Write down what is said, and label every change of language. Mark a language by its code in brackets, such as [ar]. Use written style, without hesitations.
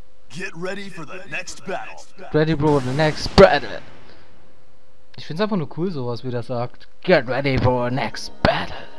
[en] Get ready for the next battle. Ready, bro, the next battle. [de] Ich find's einfach nur cool, sowas, wie der sagt. [en] Get ready for the next battle.